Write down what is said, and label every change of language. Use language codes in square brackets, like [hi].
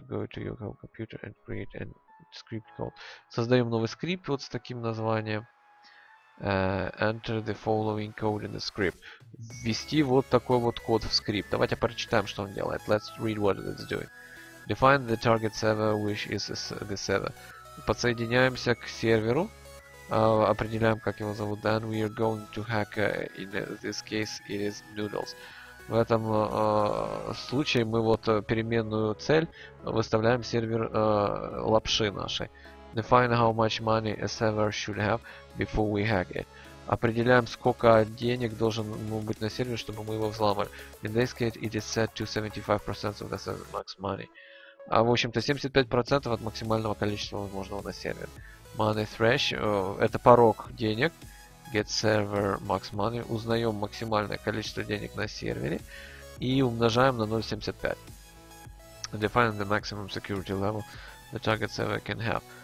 [en] Go to your home computer and create a script called. [ru] Создаем новый скрипт вот с таким названием. [en] Enter the following code in the script. [ru] Ввести вот такой вот код в скрипт. Давайте прочитаем, что он делает. [en] Let's read what it's doing. Define the target server, which is the server. [ru] Подсоединяемся к серверу. Определяем, как его зовут. [en] Then we are going to hack, in this case, it is Noodles. [ru] В этом случае мы вот переменную цель выставляем сервер лапши нашей. [en] Define how much money a server should have before we hack it. [ru] Определяем, сколько денег должен быть на сервере, чтобы мы его взломали. [en] In this case, it is set to 75% of the server max money. [ru] А в общем-то 75% от максимального количества возможного на сервер. [en] Money thresh [ru] это порог денег. [en] Get server max money. [ru] Узнаем максимальное количество денег на сервере и умножаем на 0.75. [en] Define the maximum security level the target server can have.